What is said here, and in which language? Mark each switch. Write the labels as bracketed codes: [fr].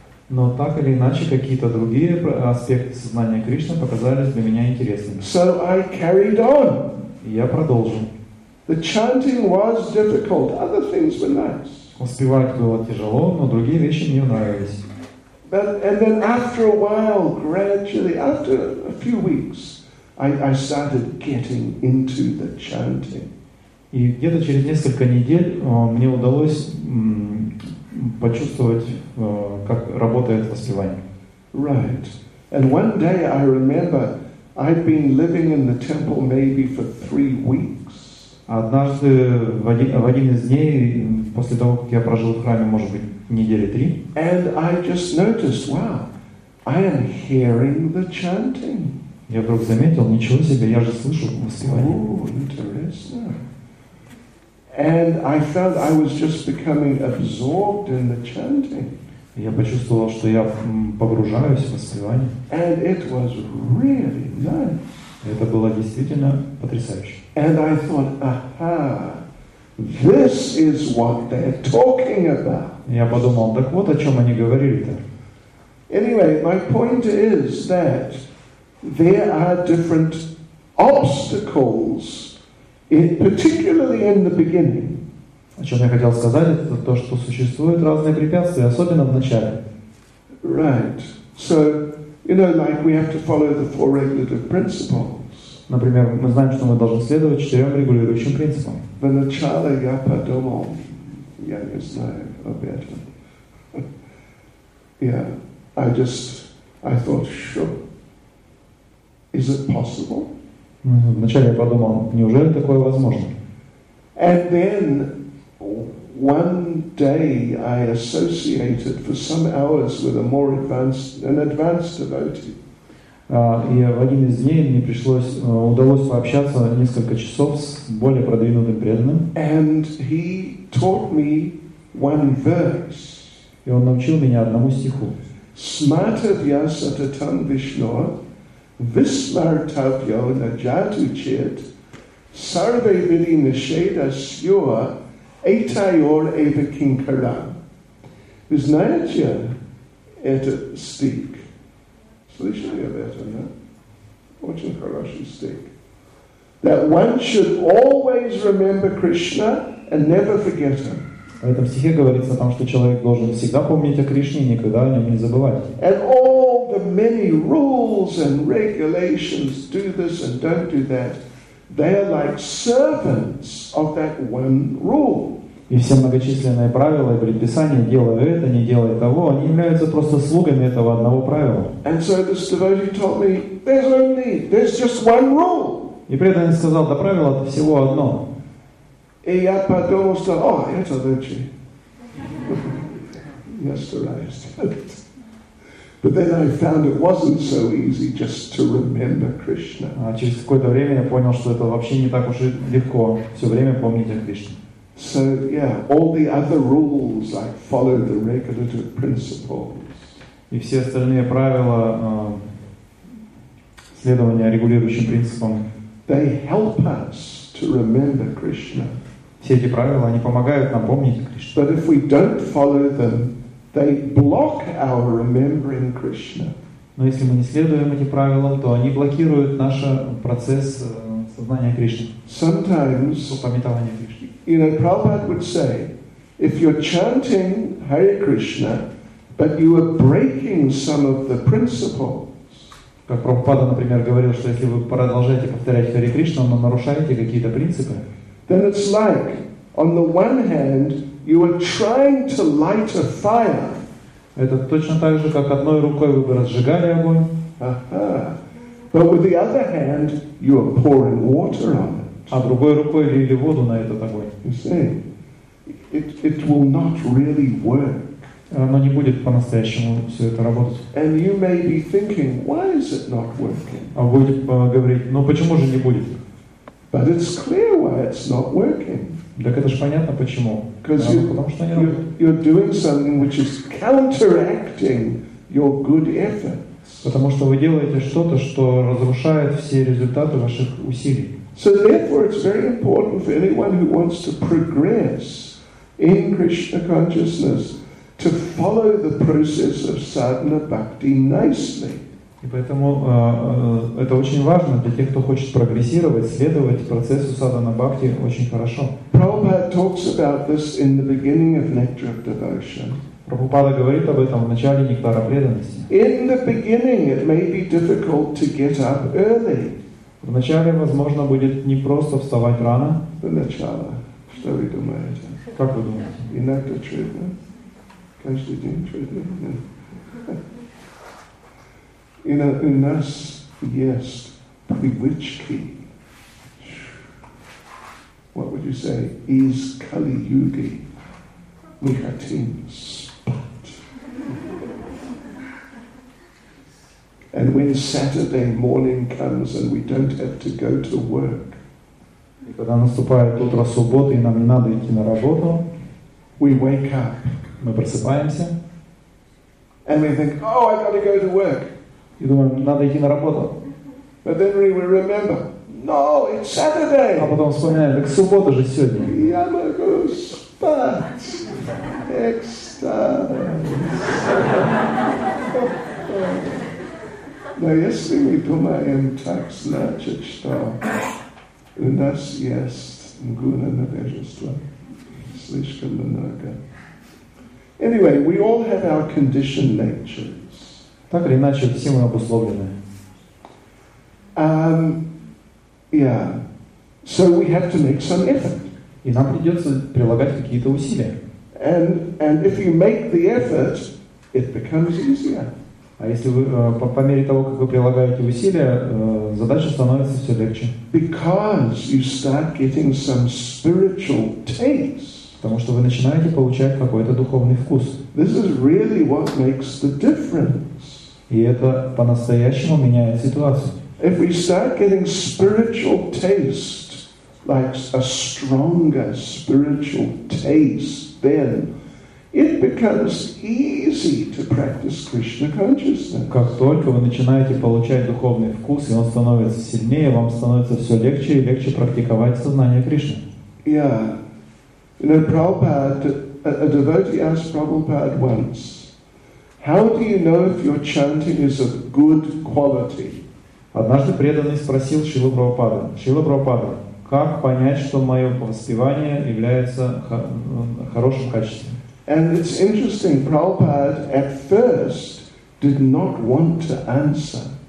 [ru] Но так или иначе, какие-то другие аспекты сознания Кришны показались для меня интересными. [en] So I carried on. [ru] Я продолжил. [en] The chanting was difficult. Other things were nice. [ru] Успевать было тяжело, но другие вещи мне нравились. [en] But, and then after a while, gradually, after a few weeks, I started getting into the chanting. [ru] И где-то через несколько недель мне удалось почувствовать, как работает воспевание. [en] Right. And one day I remember I'd been living in the temple maybe for 3 weeks. [ru] Однажды в один из дней, после того, как я прожил в храме, может быть, недели 3. [en] And I just noticed, wow, I am hearing the chanting. [ru] Я вдруг заметил, ничего себе, я же слышу воспевание. [en] Oh, interesting. And I felt I was just becoming absorbed in the chanting. [ru] Я почувствовал, что я погружаюсь в воспевание. [en] And it was really nice. [ru] Это было действительно потрясающе. [en] And I thought, aha, this is what they're talking about. [ru] Я подумал, так вот о чем они говорили-то. [en] Anyway, my point is that there are different obstacles. Particularly in the beginning. [ru] О чем я хотел сказать, это то, что существуют разные препятствия, особенно в начале. [en] Right. So, you know, like we have to follow the four regulative principles. [ru] Например, мы знаем, что мы должны следовать четырем регулирующим принципам. В начале я подумал, я не знаю об этом. [en] Yeah. I thought, sure. Is it possible? [ru] Вначале я подумал, неужели такое возможно? [en] And then one day I associated for some hours with an advanced devotee. [ru] И в один из дней мне удалось пообщаться несколько часов с более продвинутым преданным. [en] And he taught me one verse. [ru] И он научил меня одному стиху. [sa] Smarta vyasa tatam Vishnor. Vismar tapyo na jatu chit sarve vidi nisheda syur etayor eva kinkara. [ru] Vizhnayatya eta stik. Слышали об этом, да? Очень хороший стик. [en] That one should always remember Krishna and never forget him. [ru] В этом стихе говорится о том, что человек должен всегда помнить о Кришне и никогда о нем не забывать. [en] The many rules and regulations do this and don't do that. They are like servants of that one rule. [ru] И все многочисленные правила и предписания, делая это, не делая того, они являются просто слугами этого одного правила. [en] And so this devotee told me, there's no need, there's just one rule. [ru] И преданный сказал, да, правило это всего одно. И я подумал, что, о, это virtue. [en] Yes, to rise. But then I found it wasn't so easy just to remember Krishna. [ru] Через какое-то время я понял, что это вообще не так уж и легко все время помнить о Кришне. [en] So yeah, all the other rules like follow the regulative principles. [ru] И все остальные правила следования регулирующим принципам. [en] They help us to remember Krishna. [ru] Все эти правила они помогают нам помнить Кришну. [en] But if we don't follow them, they block our remembering Krishna. [ru] Но если мы не следуем этим правилам, то они блокируют наш процесс сознания Кришны. [en] Sometimes, [ru] упоминание Кришны. [en] You know, Prabhupada would say, if you're chanting Hare Krishna, but you are breaking some of the principles. [ru] Как Прабхупада, например, говорил, что если вы продолжаете повторять Хари Кришну, но нарушаете какие-то принципы. [en] Then it's like, on the one hand, you are trying to light a fire. [ru] Это точно так же, как одной рукой вы бы разжигали огонь. [en] But with the other hand, you are pouring water on it. [ru] А другой рукой лили воду на этот огонь. [en] You see, it will not really work. [ru] Оно не будет по-настоящему все это работать. [en] And you may be thinking, why is it not working? [ru] А будет говорить, ну почему же не будет? [en] But it's clear why it's not working. [ru] Так это же понятно почему. Потому что [en] you're doing something which is counteracting your good efforts. [ru] Потому что вы делаете что-то, что разрушает все результаты ваших усилий. [en] So therefore it's very important for anyone who wants to progress in Krishna consciousness to follow the process of sadhana bhakti nicely. [ru] И поэтому это очень важно для тех, кто хочет прогрессировать, следовать процессу садхана бхакти очень хорошо. [en] Prabhupada talks about this in the beginning of Nectar of Devotion. [ru] Прабхупада говорит об этом в начале Нектара преданности. [en] In the beginning, it may be difficult to get up early. [ru] Вначале, возможно, будет не просто вставать рано. Для начала. Что вы думаете? Как вы думаете? Иногда трудно. Каждый день трудно. [en] You know, [ru] у нас есть привычки. [en] What would you say? Is Kali Yugi. We [ru] хотим спать. [en] And when Saturday morning comes and we don't have to go to work. [ru] И когда наступает утро субботы, и нам не надо идти на работу. [en] We wake up. [ru] Мы просыпаемся. [en] And we think, oh, I've got to go to work. [ru] И думаем, надо идти на работу. [en] But then we remember, no, it's Saturday. [ru] А потом вспоминаем, так суббота же сегодня. Я могу спать. Экстаз. Но если мы думаем так, значит, что у нас есть гуна невежества. Слишком много. [en] Anyway, we all have our conditioned nature. [ru] Так или иначе, все мы обусловлены. [en] Yeah. So we have to make some effort. [ru] И нам придется прилагать какие-то усилия. [en] And if you make the effort, it becomes easier. [ru] А если вы по мере того, как вы прилагаете усилия, задача становится все легче. [en] Because you start getting some spiritual taste. [ru] Потому что вы начинаете получать какой-то духовный вкус. [en] This is really what makes the difference. [ru] И это по-настоящему меняет ситуацию. [en] If we start getting spiritual taste, like a stronger spiritual taste, then it becomes easy to practice Krishna consciousness. [ru] Как только вы начинаете получать духовный вкус, и он становится сильнее, вам становится все легче и легче практиковать сознание Кришны. [en] Yeah. You know, Prabhupada, a devotee asked Prabhupada once, how do you know if your chanting is of good quality? [ru] Однажды преданный спросил Шрилу Прабхупаду: Шрила Прабхупада, как понять, что мое воспевание является хорошим качеством? [en] And it's interesting, Prabhupada at first did not want to answer.